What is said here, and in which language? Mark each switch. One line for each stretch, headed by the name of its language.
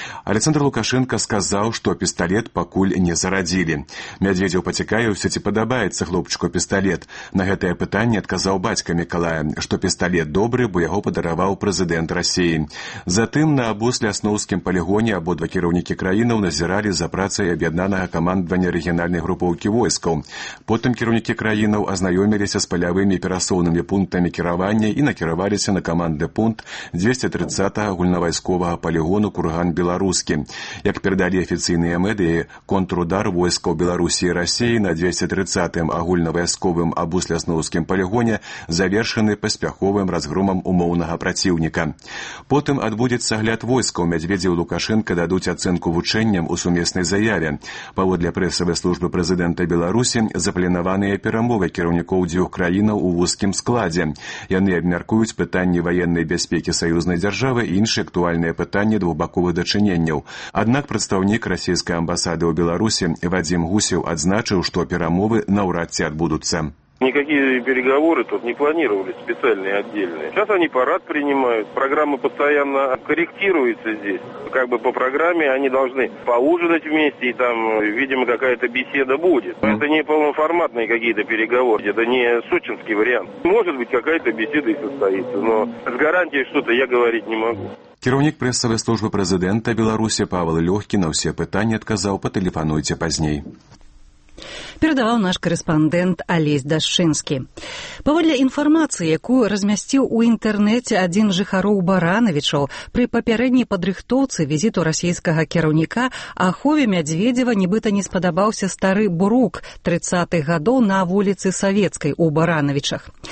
Belarusian: Александр Лукашенко сказаў, што пісталет пакуль не зарадзілі. Мядзведзеў пацікавіўся, ці падабаецца хлопчыку пісталет. На гэтае пытанне адказаў бацька Мікалая, што пісталет добры, бо яго падараваў прэзідэнт Расіі. Затым на абус-лясноўскім палігоне абодва кіраўнікі краінаў назіралі за працай аб'яднанага для командування регіональних груповки войскаў. Потым кіраўнікі краінаў азнаёміліся з палявымі перасоўнымі пунктамі кіравання і накіраваліся на каманды пункт 230-го агульнавайсковага палігону курган беларускі. Як перадалі афіцыйныя медыі, контрудар войскаў Беларусі і Расіі на 230-м агульнавайсковым абусляснаўскім палігоне завершаны паспяховым разгромам умоўнага праціўніка. Потым адбудзецца агляд войскаў Мядзведзеў Лукашэнка дадуць ацэнку вучэнням у сумеснай заяве. Паводле прэсавай службы прэзідэнта Беларусі, запланаваныя перамовы кіраўнікоў дзвюх краінаў у вузкім складзе. Яны абмяркуюць пытанні ваеннай бяспекі саюзнай дзяржавы і іншыя актуальныя пытанні двухбаковых дачыненняў. Аднак прадстаўнік расійскай амбасады ў Беларусі Вадзім Гусеў адзначыў, што перамовы наўрад ці адбудуцца.
Russian: Никакие переговоры тут не планировались специальные, отдельные. Сейчас они парад принимают, программа постоянно корректируется здесь. Как бы по программе они должны поужинать вместе, и там, видимо, какая-то беседа будет. Но это не полноформатные какие-то переговоры, это не сочинский вариант. Может быть, какая-то беседа и состоится, но с гарантией что-то я говорить не могу.
Belarusian: Кіраўнік прэсавай службы прэзідэнта Беларусі Павел Лёгкі на ўсе пытанні адказаў «Патэлефануйце пазней». Перадаваў наш корэспандэнт Алесь Дашчынскі. Паводле інфармацыі, якую размясціў у інтэрнэце адзін жыхароў Баранавічаў, пры папярэдняй падрыхтоўцы візіту расійскага кіраўніка ахове Мядзведзева нібыта не спадабаўся стары брук 30-х гадоў на вуліцы Савецкай у Баранавічах.